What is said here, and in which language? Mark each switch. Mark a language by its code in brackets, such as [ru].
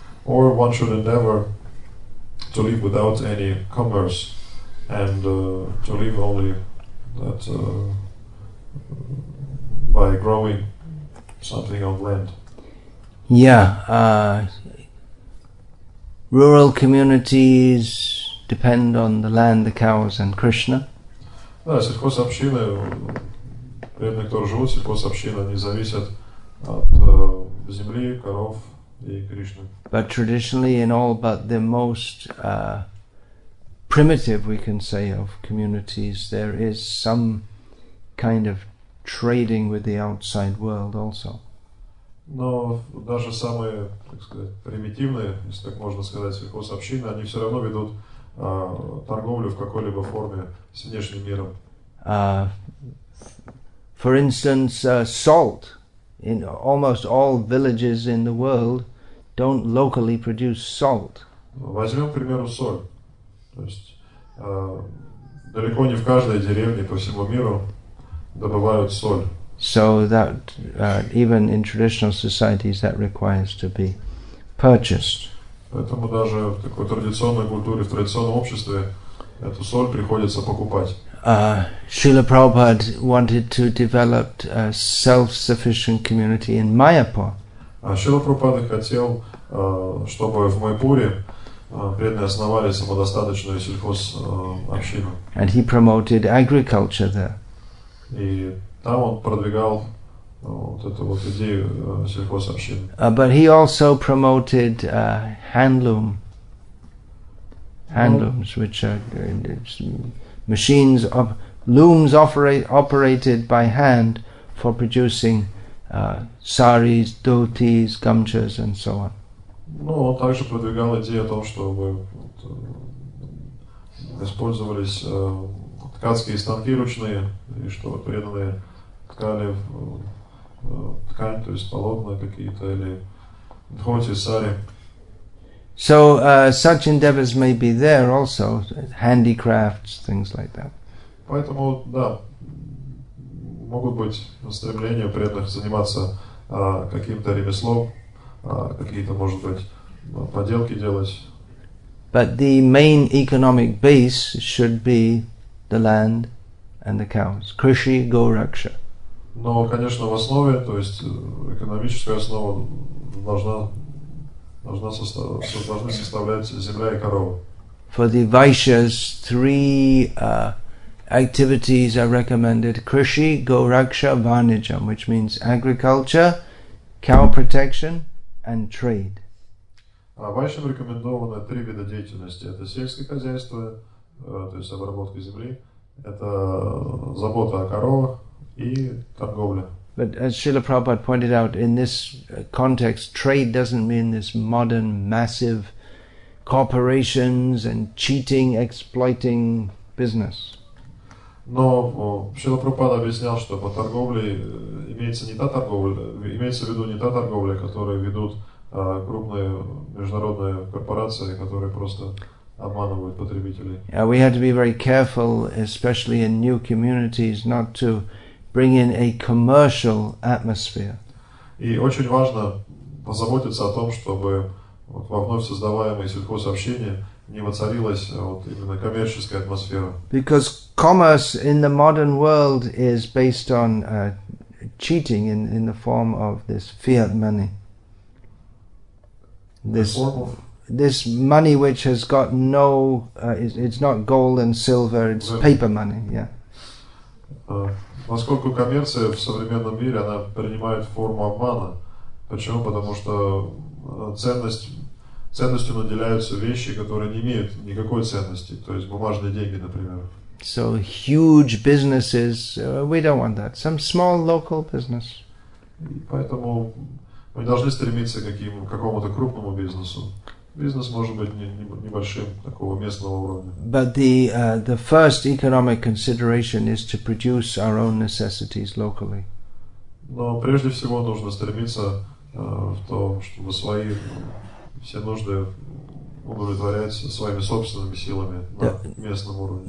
[en] Or one should endeavor to live without any commerce and to live only that by growing something on land. Yeah. Rural communities depend on the land, the cows, and Krishna. [ru] Да, сельхозобщины, бедные, которые живут в сельхозобщине, они зависят от земли, коров и Кришны. [en] But traditionally, in all but the most primitive, we can say, of communities, there is some kind of trading with the outside world also. [ru] Но даже самые, так сказать, примитивные, если так можно сказать, сельхозобщины, они все равно ведут торговлю в какой-либо форме с внешним миром. [en] For instance, salt in almost all villages in the world don't locally produce salt. [ru] Возьмем, к примеру, соль. То есть далеко не в каждой деревне по всему миру добывают соль. [en] So that even in traditional societies that requires to be purchased. [ru] Поэтому даже в такой традиционной культуре, в традиционном обществе эту соль приходится покупать. [en] Srila Prabhupada wanted to develop a self-sufficient community in Mayapur. [ru] Srila Prabhupada хотел, чтобы в Майпуре преданные основали самодостаточную сельхозобщину. [en] And he promoted agriculture there. [ru] И там он продвигал вот эту вот идею сельхозобщины. [en] But he also promoted handlooms, which are machines of looms operated by hand for producing saris, dhotis, gamchas, and so on. [ru] Ну, он также продвигал идею о том, чтобы использовались ткацкие станки ручные, и что преданные ткали в ткань, то есть полотна какие-то или дхоти, сари. [en] So such endeavors may be there also, handicrafts, things like that. [ru] Поэтому да, могут быть стремления преданных заниматься каким-то ремеслом, какие-то, может быть, поделки делать. [en] But the main economic base should be the land and the cows. [sa] Krishi Goraksha. [ru] Но, конечно, в основе, то есть экономическая основа должна составлять земля и корова. [en] For the Vaishyas, three activities are recommended: Krishi, Goraksha, Vanijam, which means agriculture, cow protection, and trade. [ru] Вайшам рекомендовано три вида деятельности. Это сельское хозяйство, то есть обработка земли, это забота о коровах и торговля. [en] But as Srila Prabhupada pointed out, in this context, trade doesn't mean this modern massive corporations and cheating, exploiting business. [ru] Но Srila Prabhupada объяснял, что по торговле имеется в виду не та торговля, которую ведут крупные международные корпорации, которые просто обманывают потребителей. [en] Yeah, we have to be very careful, especially in new communities, not to bring in a commercial atmosphere. [ru] И очень важно позаботиться о том, чтобы вот во вновь создаваемое сельхозобщение не воцарилась вот именно коммерческая атмосфера. [en] Because commerce in the modern world is based on cheating in the form of this fiat money. This money which has got no it's not gold and silver, it's paper money, yeah. [ru] Поскольку коммерция в современном мире она принимает форму обмана. Почему? Потому что ценностью наделяются вещи, которые не имеют никакой ценности, то есть бумажные деньги, например. [en] So huge businesses, we don't want that. Some small local business. [ru] И поэтому мы должны стремиться к какому-то крупному бизнесу. Бизнес может быть небольшим, такого местного уровня. [en] But the first economic consideration is to produce our own necessities locally. [ru] Но прежде всего нужно стремиться в том, чтобы свои все нужды удовлетворять своими собственными силами на местном уровне.